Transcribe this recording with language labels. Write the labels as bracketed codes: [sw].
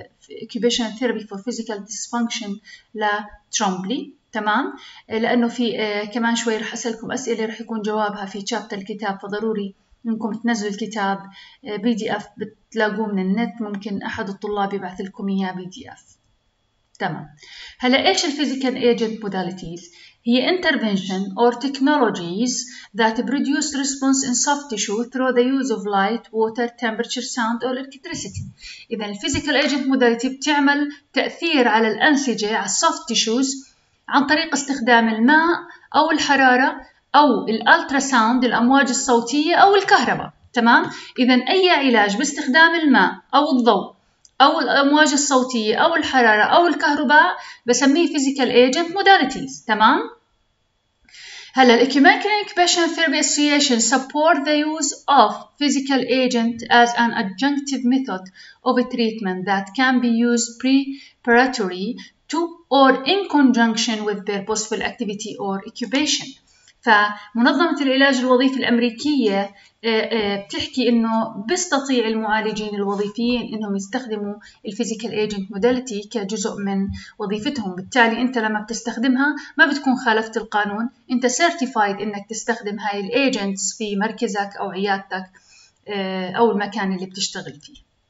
[ar] Occupational Therapy for Physical Dysfunction لترومبلي، تمام؟ لأنه في كمان شوي رح أسألكم أسئلة رح يكون جوابها في شابتر الكتاب، فضروري إنكم تنزلوا الكتاب PDF بتلاقوه من النت، ممكن أحد الطلاب يبعث لكم إياه PDF، تمام؟ هلا إيش الفيزيكال ايجنت موداليتيز؟ هي [en] intervention or technologies that produce response in soft tissue through the use of light, water, temperature, sound or electricity. [ar] إذا الphysical agent modality بتعمل تأثير على الأنسجة على soft tissues عن طريق استخدام الماء أو الحرارة أو الألتراساوند الأمواج الصوتية أو الكهرباء، تمام؟ إذا أي علاج باستخدام الماء أو الضوء أو الأمواج الصوتية أو الحرارة أو الكهرباء بسميه Physical Agent Modalities، تمام؟ هلأ الـ [en] Occupational Therapy Association support the use of Physical Agent as an adjunctive method of a treatment that can be used preparatory to or in conjunction with their purposeful activity or occupation. [ar] فمنظمة العلاج الوظيفي الأمريكية بتحكي انه بيستطيع المعالجين الوظيفيين انهم يستخدموا الفيزيكال ايجنت موداليتي كجزء من وظيفتهم. بالتالي انت لما بتستخدمها ما بتكون خالفت القانون، انت سيرتيفايد انك تستخدم هاي الايجنتس في مركزك او عيادتك او المكان اللي بتشتغل فيه.